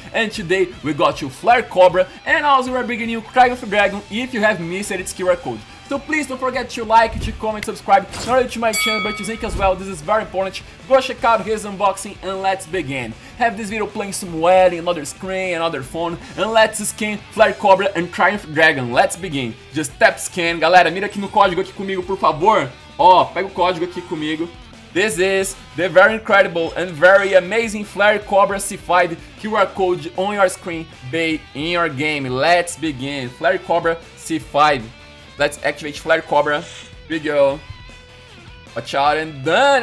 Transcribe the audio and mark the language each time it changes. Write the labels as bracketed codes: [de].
[en] And today we got you Flare Cobra, and also we're bringing you Krang of Dragon if you have missed its QR code. So please don't forget to like, to comment, subscribe, not only to my channel but to Zink as well, this is very important. Go check out his unboxing and let's begin. Have this video playing somewhere in another screen, another phone, and let's scan Flare Cobra and Krang of Dragon. Let's begin. Just tap scan. [pt] Galera, mira aqui no código aqui comigo, por favor. Ó, pega o código aqui comigo. [en] This is the very incredible and very amazing Flare Cobra C5 QR code on your screen, bay in your game. Let's begin. Flare Cobra C5. Let's activate Flare Cobra. Here we go. Watch out and done.